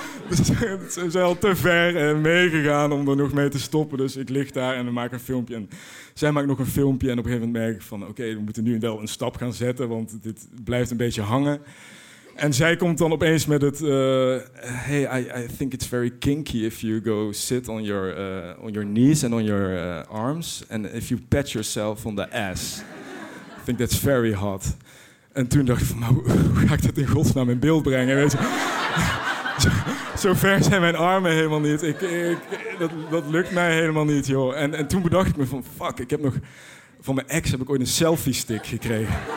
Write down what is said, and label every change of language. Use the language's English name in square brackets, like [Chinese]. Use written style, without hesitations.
[Dutch] Ze zijn al te ver meegegaan om er nog mee te stoppen. Dus ik lig daar en we maken een filmpje. En zij maakt nog een filmpje en op een gegeven moment merk ik van... Oké, we moeten nu wel een stap gaan zetten, want dit blijft een beetje hangen. En zij komt dan opeens met het... [English] Hey, I think it's very kinky if you go sit on your knees and on your arms. And if you pat yourself on the ass. I think that's very hot. [Dutch] En toen dacht ik van, maar hoe ga ik dat in godsnaam in beeld brengen? Weet je? Zo ver zijn mijn armen helemaal niet. Dat lukt mij helemaal niet, joh. En toen bedacht ik me van, fuck, ik heb nog... Van mijn ex heb ik ooit een selfie-stick gekregen.